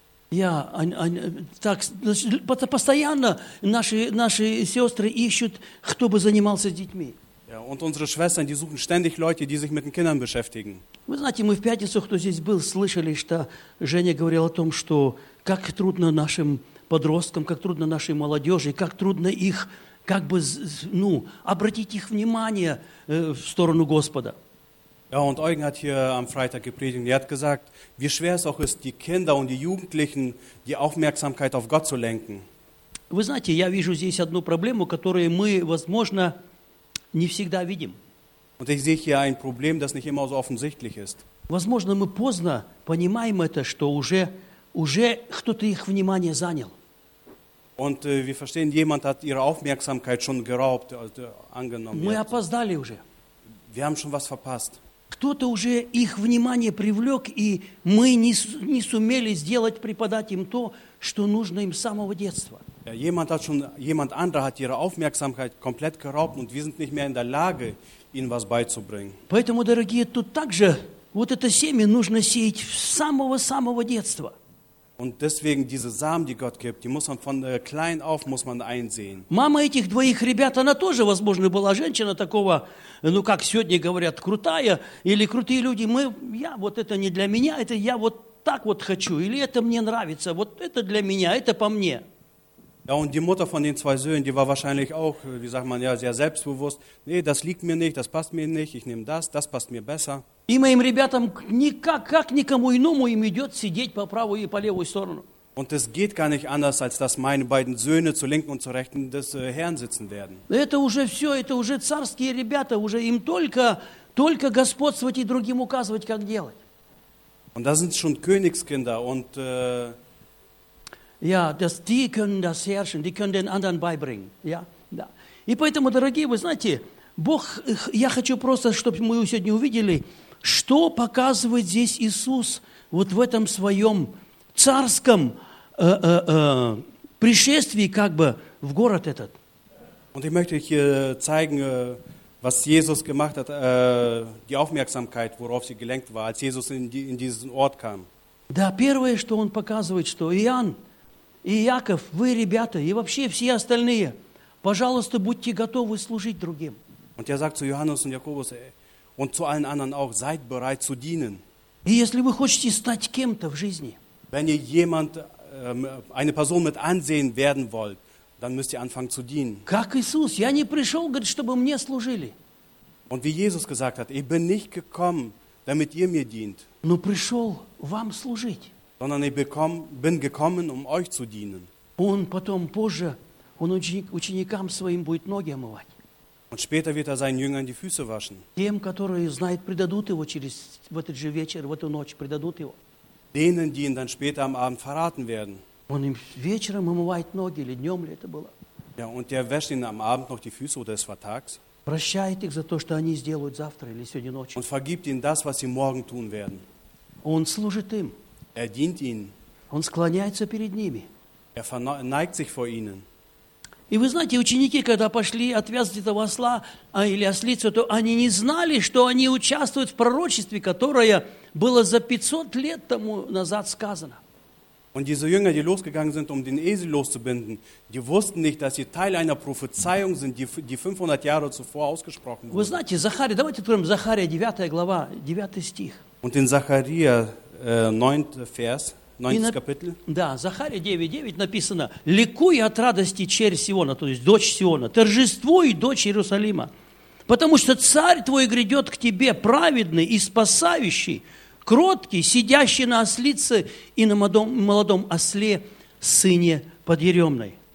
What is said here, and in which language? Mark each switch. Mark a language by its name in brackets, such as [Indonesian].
[Russian] Постоянно наши сестры ищут, кто бы занимался с детьми. [German] Ja, und unsere Schwestern, die suchen ständig Leute, die sich mit den Kindern beschäftigen. [Russian] Вы знаете, мы в пятницу, кто здесь был, слышали, что Женя говорил о том, что как трудно нашим подросткам, как трудно нашей молодежи, как трудно их... как бы, ну, обратить их внимание в сторону Господа. [German] Ja, und Eugen hat hier am Freitag gepredigt. Er hat gesagt, wie schwer es auch ist, die Kinder und die Jugendlichen die Aufmerksamkeit auf Gott zu lenken. [Russian] Вы знаете, я вижу здесь одну проблему, которую мы, возможно, не всегда видим. [German] Und ich sehe hier ein Problem, das nicht immer so offensichtlich ist. [Russian] Возможно, мы поздно понимаем это, что уже кто-то их внимание занял. [German] Und wir verstehen, jemand hat ihre Aufmerksamkeit schon geraubt, also angenommen. Wir haben schon was verpasst. [Russian] Кто-то уже их внимание привлек, и мы не сумели сделать, преподать им то, что нужно им с самого детства. [German] Jemand anderer hat ihre Aufmerksamkeit komplett geraubt und wir sind nicht mehr in der Lage, ihnen was beizubringen. [Russian] Поэтому, дорогие, тут также вот это семя нужно сеять с самого-самого детства. [German] Und deswegen diese Samen, die Gott gibt, die muss man von klein auf muss man einsehen. [Russian] Мама этих двоих ребят, она тоже, возможно, была женщина такого, ну как сегодня говорят, крутая или крутые люди. Я вот это не для меня, это я вот так вот хочу или это мне нравится, вот это для меня, это по мне. [German] Ja, und die Mutter von den zwei Söhnen, die war wahrscheinlich auch, wie sagt man, ja, sehr selbstbewusst. Nee, das liegt mir nicht, das passt mir nicht, ich nehme das, das passt mir besser. [Russian] И моим ребятам никак, как никому иному им идет сидеть по правую и по левую сторону. [German] Und es geht gar nicht anders, als dass meine beiden Söhne zur linken und zur rechten des Herrn sitzen werden. [Russian] Это уже все, это уже царские ребята, уже им только господствовать и другим указывать, как делать. [German] Und das sind schon Königskinder und... Ja, das, die können das herrschen, die können den anderen beibringen. Ja, ja. [Russian] И поэтому, дорогие, вы знаете, Бог, я хочу просто, чтобы мы сегодня увидели, что показывает здесь Иисус вот в этом своем царском пришествии, как бы, в город этот. [German] Und ich möchte hier zeigen, was Jesus gemacht hat, die Aufmerksamkeit, worauf sie gelenkt war, als Jesus in diesen Ort kam. [Russian] Да, первое, что он показывает, что Иоанн, и Яков, вы, ребята, и вообще все остальные, пожалуйста, будьте готовы служить другим. [German] Und er sagt zu Johannes und Jakobus und zu allen anderen auch, seid bereit zu dienen. [Russian] И если вы хотите стать кем-то в жизни, [German] wenn ihr jemand, eine Person mit Ansehen werden wollt, dann müsst ihr anfangen zu dienen. [Russian] Как Иисус, я не пришел, говорит, чтобы мне служили. [German] Und wie Jesus gesagt hat, ich bin nicht gekommen, damit ihr mir dient. [Russian] Но пришел вам служить. [German] Sondern ich bin gekommen, um euch zu dienen. Und [Russian] потом, позже, он ученикам своим будет ноги омывать. [German] Und später wird seinen Jüngern die Füße waschen. [Russian] Тем, которые знают, предадут его через в этот же вечер, в эту ночь, предадут его. [German] Denen, die ihn dann später am Abend verraten werden. [Russian] Он им вечером омывает ноги, или днем ли это было. [German] Ja, und er wäscht ihnen am Abend noch die Füße, oder es war tags. [Russian] Прощает их за то, что они сделают завтра или сегодня ночью. [German] Und vergibt ihnen das, was sie morgen tun werden. [Russian] Он служит им. [German] Dient ihnen. [Russian] Он склоняется перед ними. [German] Neigt sich vor ihnen. [Russian] И вы знаете, ученики, когда пошли отвязать этого осла или ослицу, то они не знали, что они участвуют в пророчестве, которое было за 500 лет тому назад сказано. [German] Und diese Jünger, die losgegangen sind, um den Esel loszubinden, die wussten nicht, dass sie Teil einer Prophezeiung sind, die 500 Jahre zuvor ausgesprochen wurde. [Russian] Вы знаете, Захария, давайте откроем Захария, 9 глава, 9 стих. [German] Und in Захария 9 Kapitel. [Russian] Да, Захария 9:9 написано: «Ликуй от радости черь Сиона», то есть дочь Сиона, «торжествуй, дочь Иерусалима, потому что царь твой грядет к тебе, праведный и спасающий, кроткий, сидящий на ослице и на молодом осле, сыне подъеремной».